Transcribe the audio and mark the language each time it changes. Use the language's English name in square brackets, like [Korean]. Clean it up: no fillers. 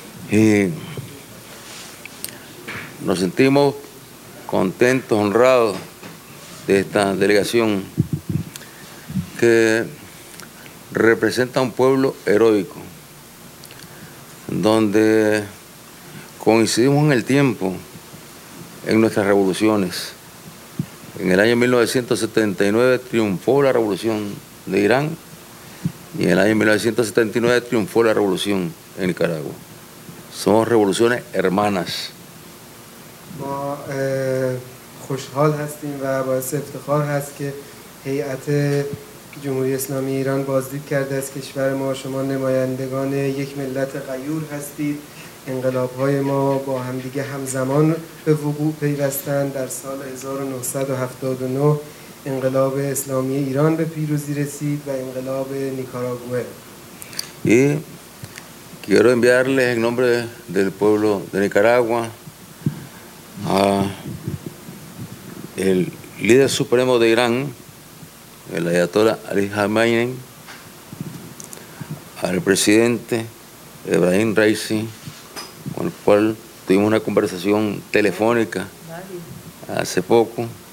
[Spanish] y nos sentimos contentos, honrados de esta delegación que representa un pueblo heroico, donde coincidimos en el tiempo, en nuestras revoluciones. En el año 1979 triunfó la revolución de Irán y en el año 1979 triunfó la revolución en Nicaragua. Somos revoluciones hermanas. [Persian] ما خوشحال هستیم و باعث افتخار هست که هیئت جمهوری اسلامی ایران بازدید کرده از کشور ما شما نمایندگان یک ملت غیور هستید انقلاب‌های ما با همدیگه همزمان به وقوع پیوستند در سال 1979 انقلاب اسلامی ایران به پیروزی رسید و انقلاب نیکاراگوئه [Spanish] y quiero enviarles en nombre del pueblo de Nicaragua a el líder supremo de Irán, el ayatollah Ali Khamenei, al presidente Ebrahim Raisi, con el cual tuvimos una conversación telefónica hace poco,